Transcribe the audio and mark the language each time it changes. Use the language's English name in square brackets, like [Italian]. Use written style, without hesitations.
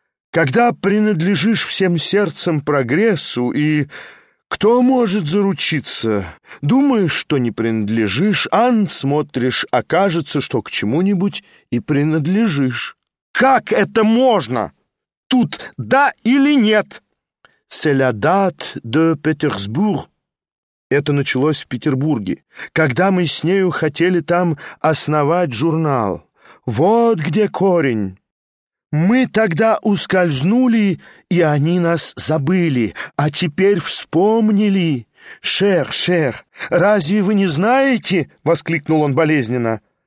[Russian] Когда принадлежишь всем сердцем прогрессу и... Кто может заручиться? Думаешь, что не принадлежишь, ан смотришь, окажется, что к чему-нибудь и принадлежишь. Как это можно? Тут да или нет? [French] C'est la date de Petersburg. [Russian] Это началось в Петербурге, когда мы с нею хотели там основать журнал. Вот где корень. Мы тогда ускользнули, и они нас забыли, а теперь вспомнили. «Шер, шер, разве вы не знаете?» — воскликнул он болезненно.